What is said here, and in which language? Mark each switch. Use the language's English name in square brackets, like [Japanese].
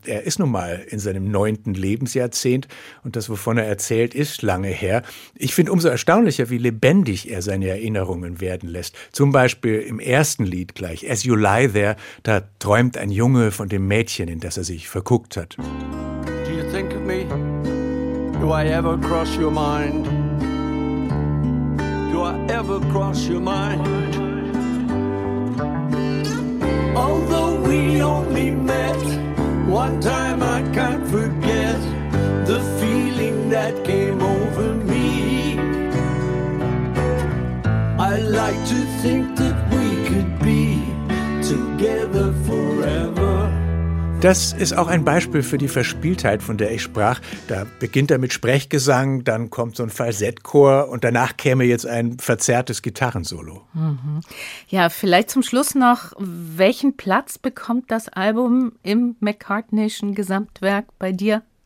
[German] Er ist nun mal in seinem 9. Lebensjahrzehnt und das, wovon er erzählt, ist lange her. Ich finde umso erstaunlicher, wie lebendig er seine Erinnerungen werden lässt. Zum Beispiel im ersten Lied gleich, As You Lie There, da träumt ein Junge von dem Mädchen, in das er sich verguckt hat. [English] Do you think of me? Do I ever cross your mind? Do I ever cross your mind? Although we only met one time, I can't forget the feeling that came over me. I like to think that we could be together forever. [German] Das ist auch ein Beispiel für die Verspieltheit, von der ich sprach. Da beginnt er mit Sprechgesang, dann kommt so ein Falsettchor und danach käme jetzt ein verzerrtes Gitarrensolo. Ja, vielleicht zum Schluss noch, welchen Platz bekommt das Album im McCartneyschen Gesamtwerk bei dir?